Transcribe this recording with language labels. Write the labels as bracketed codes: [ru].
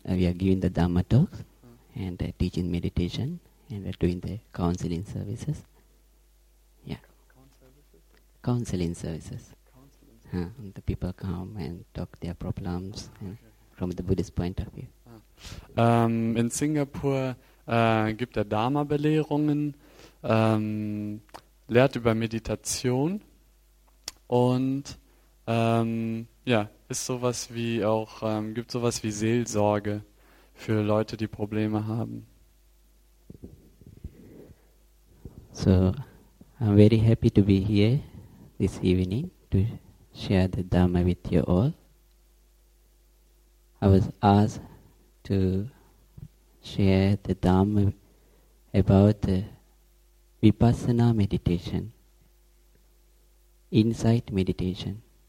[en] We are giving the Dhamma talks and teaching meditation and doing the counseling services. Yeah. Counseling services. And the people come and talk their problems from the Buddhist point of view. [de] In Singapur gibt er Dharma-Belehrungen, lehrt über Meditation und ist sowas wie auch gibt sowas wie Seelsorge für Leute, die Probleme haben. [en] So, I'm very happy to be here this evening to share the Dharma with you all. I was asked to share the Dharma about the Vipassana meditation, insight meditation.